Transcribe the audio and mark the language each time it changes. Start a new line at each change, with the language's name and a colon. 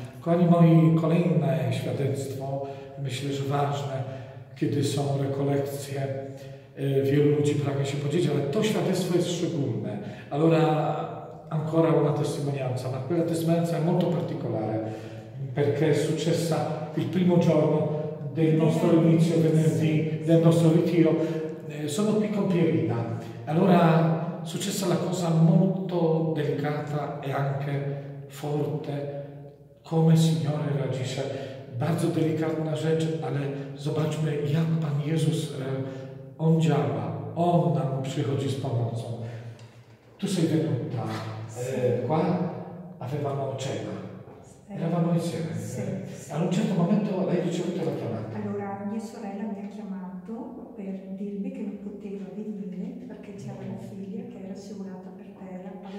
Polish: Kochani moi, kolejne świadectwo, myślę, że ważne, kiedy są rekolekcje. Wielu ludzi pragnie się podzielić, ale to świadectwo jest szczególne.
Italian: Allora, ancora una testimonianza, ma quella testimonianza molto particolare, perché è successa il primo giorno del nostro inizio venerdì, del nostro ritiro. Sono qui con Pierina. Allora, successa la cosa molto delicata e anche forte, come Signore reagisce.
Polish: Bardzo delicata rzecz, ale zobaczmy, jak Pan Jezus, On działa, On nam przychodzi z pomocą.
Italian: Tu sei venuta qua, avevamo cena, eravamo insieme. A un certo momento lei ricevuto la chiamata. Allora, mia sorella mi ha chiamato per dirmi che non poteva venire perché c'era una figlia che era assicurata per terra.